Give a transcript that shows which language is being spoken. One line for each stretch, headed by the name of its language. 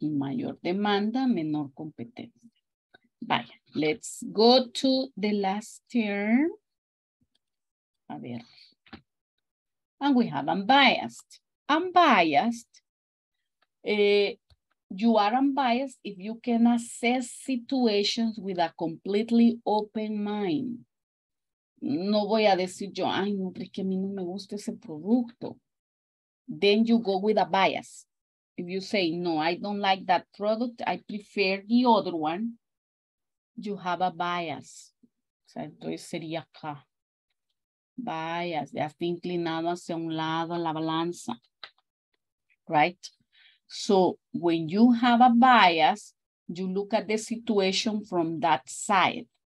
Spanish: Mayor demanda, menor competencia. Vaya,
English: let's go to the last term.
Spanish: A ver.
English: And we have unbiased. Unbiased, you are unbiased if you can assess situations with a completely open mind.
Spanish: No voy a decir yo, ay, no, porque a mí no me gusta ese producto.
English: Then you go with a bias. If you say, no, I don't like that product, I prefer the other one, you have a bias.
Spanish: O sea, entonces sería acá. Bias, ya está inclinado hacia un lado la balanza, right?
English: So when you have a bias, you look at the situation from that side.